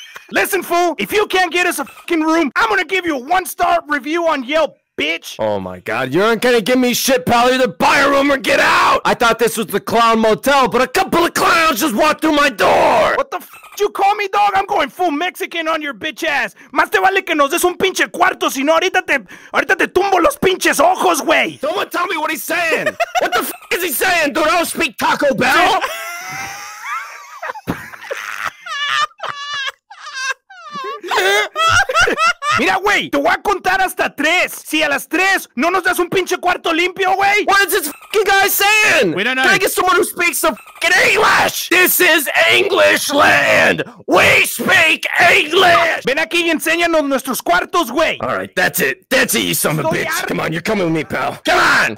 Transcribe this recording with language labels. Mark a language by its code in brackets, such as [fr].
[en] Listen, fool, if you can't get us a fucking room, I'm gonna give you a one-star review on Yelp, bitch! Oh my god, you aren't gonna give me shit, pal. Either buy a room or get out! I thought this was the clown motel, but a couple of clowns just walked through my door! What the fuck? You call me dog? I'm going full Mexican on your bitch ass. [es] Más te vale que nos des un pinche cuarto, si no ahorita te tumbo los pinches ojos, güey. [en] Someone tell me what he's saying. What the f*** is he saying, dude? I don't speak Taco Bell. [es] Mira, güey, te voy a contar hasta tres. Si a las tres no nos das un pinche cuarto limpio, güey. [en] What is this f***ing guy saying? We don't know. Can I get someone who speaks some f***ing English? This is English land. We speak English. [es] Ven aquí y enséñanos nuestros cuartos, güey. [en] All right, that's it. That's it, you son of a bitch. Come on, you're coming with me, pal. Come on.